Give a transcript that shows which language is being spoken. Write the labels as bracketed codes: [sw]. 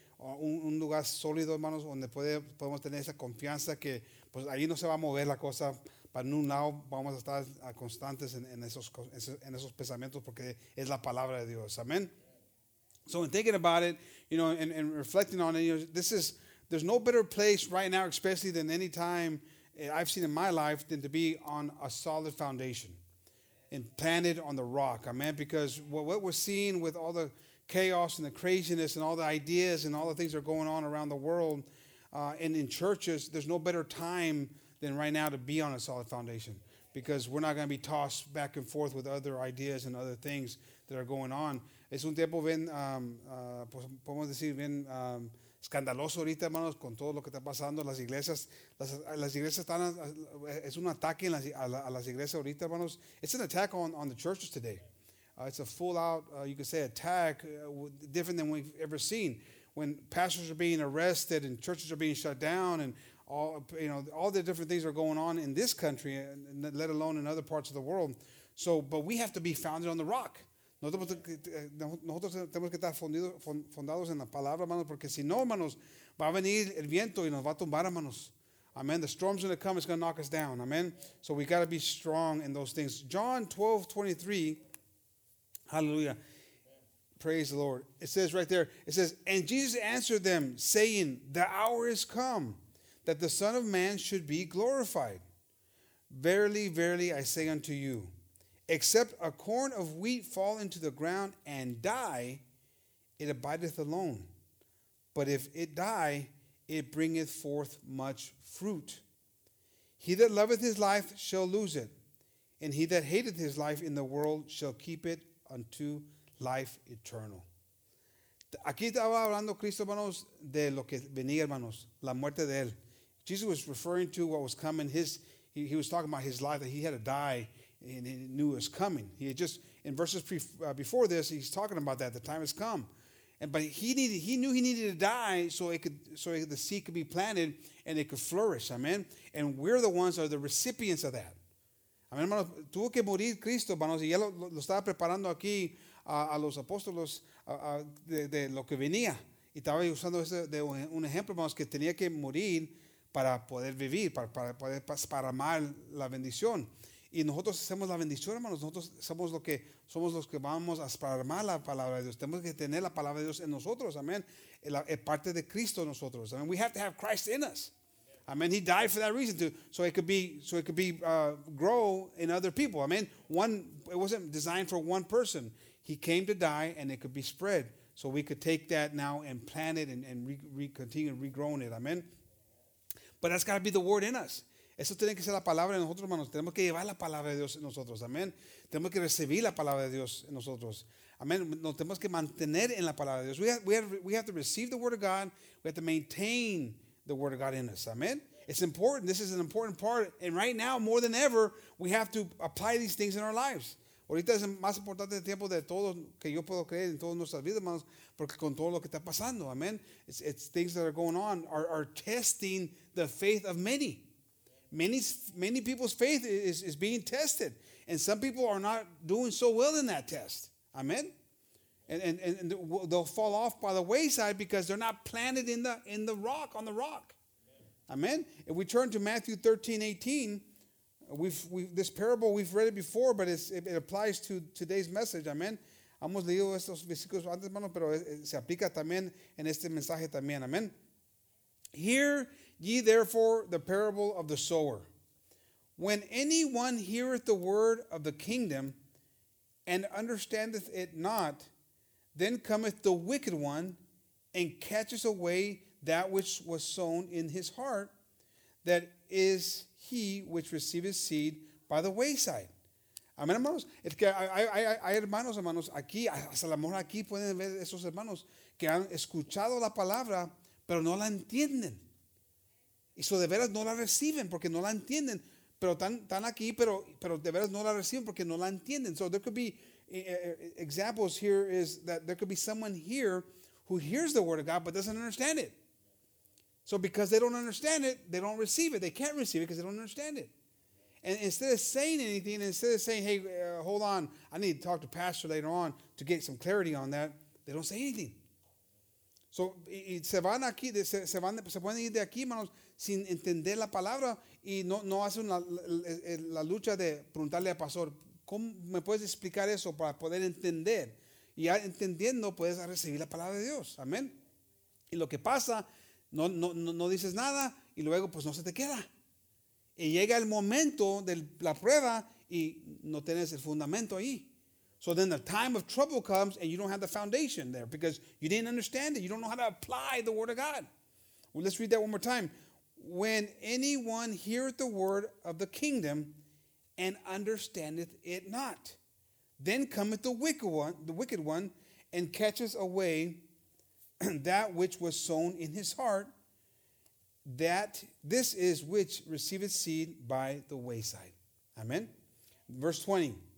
[es] Un lugar sólido, hermanos, donde podemos tener esa confianza que, pues, ahí no se va a mover la cosa para ningún lado, vamos a estar constantes en esos pensamientos porque es la palabra de Dios, amén. [en] So, in thinking about it, you know, and reflecting on it, you know, there's no better place right now, especially than any time I've seen in my life, than to be on a solid foundation and planted on the rock, amen? Because what we're seeing with all the chaos and the craziness and all the ideas and all the things that are going on around the world and in churches, there's no better time than right now to be on a solid foundation because we're not going to be tossed back and forth with other ideas and other things that are going on. [es] Es un tiempo bien, podemos decir, bien escandaloso ahorita, hermanos, con todo lo que está pasando. Las iglesias están, es un ataque a las iglesias ahorita, hermanos. [en] It's an attack on the churches today. It's a full-out, you could say, attack, different than we've ever seen. When pastors are being arrested and churches are being shut down and all, you know, all the different things are going on in this country, and let alone in other parts of the world. So, but we have to be founded on the rock. [es] Nosotros tenemos que estar fundados en la palabra, hermanos, porque si no, hermanos, va a venir el viento y nos va a tumbar, hermanos. [en] Amen. The storm's going to come. It's going to knock us down. Amen. So we got to be strong in those things. John 12:23. Hallelujah. Praise the Lord. It says right there, it says, and Jesus answered them, saying, the hour is come that the Son of Man should be glorified. Verily, verily, I say unto you, except a corn of wheat fall into the ground and die, it abideth alone. But if it die, it bringeth forth much fruit. He that loveth his life shall lose it, and he that hateth his life in the world shall keep it unto life eternal. [es] Aquí estaba hablando Cristo, hermanos, de lo que venía, hermanos, la muerte de él. [en] Jesus was referring to what was coming. He was talking about his life, that he had to die. And he knew it was coming. He had just, in verses before this, he's talking about that. The time has come. But he knew he needed to die so the seed could be planted and it could flourish. Amen. And we're the ones that are the recipients of that. [es] Amen, hermanos. Tuvo que morir Cristo, hermanos. Y ya lo estaba preparando aquí a los apóstolos de lo que venía. Y estaba usando ese de un ejemplo, hermanos, que tenía que morir para poder vivir, para amar la bendición. Y nosotros hacemos la bendición, hermanos. Nosotros somos los que vamos a esparmar la palabra de Dios. Tenemos que tener la palabra de Dios en nosotros. Amén. Es parte de Cristo en nosotros. Amén. [en] We have to have Christ in us. [es] Amén. [en] He died for that reason too. So it could be grow in other people. Amén. It wasn't designed for one person. He came to die and it could be spread. So we could take that now and plant it and continue regrowing it. Amén. But that's got to be the word in us. [es] Eso tiene que ser la palabra de nosotros, hermanos. Tenemos que llevar la palabra de Dios en nosotros. Amén. Tenemos que recibir la palabra de Dios en nosotros. Amén. Nos tenemos que mantener en la palabra de Dios. [en] We have to receive the word of God. We have to maintain the word of God in us. Amén. It's important. This is an important part. And right now, more than ever, we have to apply these things in our lives. [es] Ahorita es más importante el tiempo de todo que yo puedo creer en todas nuestras vidas, hermanos, porque con todo lo que está pasando. Amén. [en] It's things that are going on are testing the faith of many. Many people's faith is being tested. And some people are not doing so well in that test. Amen? And they'll fall off by the wayside because they're not planted in the rock, on the rock. Amen? If we turn to Matthew 13:18, this parable, we've read it before, but it applies to today's message. Amen? [es] Hemos leído estos versículos antes, hermano, pero se aplica también en este mensaje también. [en] Amen? Hear ye therefore the parable of the sower. When any one heareth the word of the kingdom and understandeth it not, then cometh the wicked one and catcheth away that which was sown in his heart, that is he which receiveth seed by the wayside. [es] Amén, hermanos. Es que hay hermanos, hermanos, aquí, hasta la mejor aquí pueden ver esos hermanos que han escuchado la palabra, pero no la entienden. Y so de veras no la reciben porque no la entienden. Pero están aquí, pero de veras no la reciben porque no la entienden. [en] So there could be examples here is that there could be someone here who hears the word of God but doesn't understand it. So because they don't understand it, they don't receive it. They can't receive it because they don't understand it. And instead of saying anything, instead of saying, hey, hold on, I need to talk to pastor later on to get some clarity on that, they don't say anything. [es] So se van aquí, se pueden ir de aquí, hermanos, sin entender la palabra y no hacen la lucha de preguntarle al pastor, ¿cómo me puedes explicar eso para poder entender? Y ya entendiendo, puedes recibir la palabra de Dios. Amén. Y lo que pasa, no dices nada y luego pues no se te queda. Y llega el momento de la prueba y no tienes el fundamento ahí. [en] So then the time of trouble comes and you don't have the foundation there because you didn't understand it. You don't know how to apply the word of God. Well, let's read that one more time. When anyone heareth the word of the kingdom and understandeth it not, then cometh the wicked one, and catcheth away that which was sown in his heart, that this is which receiveth seed by the wayside. Amen. Verse 20.